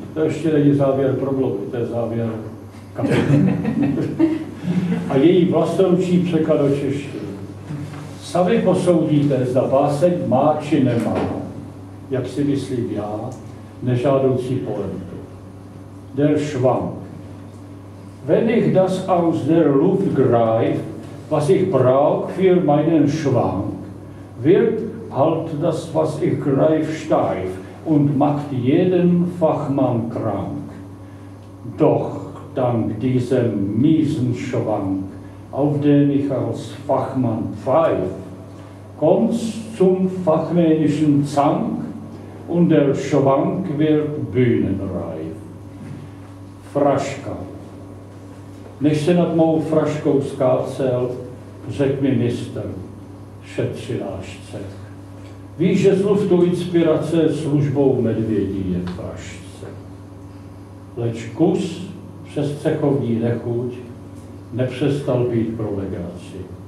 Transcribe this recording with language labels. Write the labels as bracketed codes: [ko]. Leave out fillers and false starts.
[cs] To ještě není závěr problému, to je závěr kapitoly. A její vlastnoručí překlad do češtiny. Sami posoudíte, zda báseň má či nemá, jak si myslím já, nežádoucí polemiku. [de] Der Schwank. Wenn ich das aus der Luft greif, was ich brauch für meinen Schwank, wird halt das, was ich greif, steif und macht jeden Fachmann krank. Doch dank diesem miesen Schwank, auf den ich als Fachmann pfeif, kommt's zum fachmännischen Zank und der Schwank wird bühnenreif. [cs] Fraška. Než se nad mou fraškou skácel, řekl mi mistr, šetři náš cech. Víš, že z luftu inspirace službou medvědí je frašce. Leč kus přes cechovní nechuť nepřestal být pro legraci.